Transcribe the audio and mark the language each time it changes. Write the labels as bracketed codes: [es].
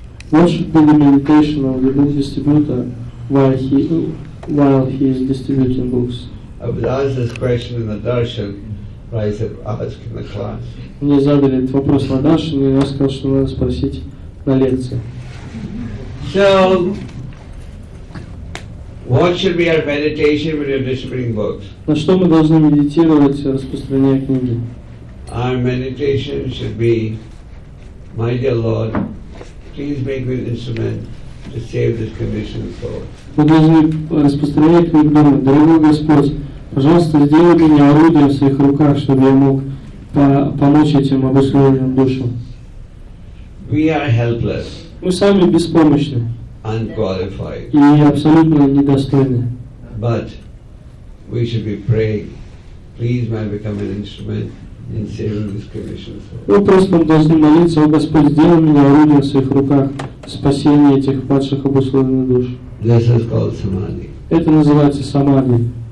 [en] What should be the meditation of the book distributor while he is distributing books? I was asked this question in the darshan. I said, ask in the class. [ru] Мне задали этот вопрос на даршане, и я сказал, что надо спросить на лекции. [en] So, what should be our meditation when you're distributing books? [ru] На что мы должны медитировать, распространяя книги? [en] Our meditation should be, my dear Lord, please make me an instrument to save this condition for. [ru] Мы должны распространять книги, дорогой Господь. Пожалуйста, сделай меня орудием в своих руках, чтобы я мог помочь этим обусловленным душам. [en] We are helpless. [ru] Мы сами беспомощны. [en] Unqualified. [ru] И абсолютно недостойны. [en] But we should be praying. Please, may I become an instrument in saving this condition. [ru] Мы просто должны молиться, о Господь, сделай меня орудием в своих руках в спасении этих падших обусловленных душ. [en] This is called samadhi. [ru] Это называется самадхи.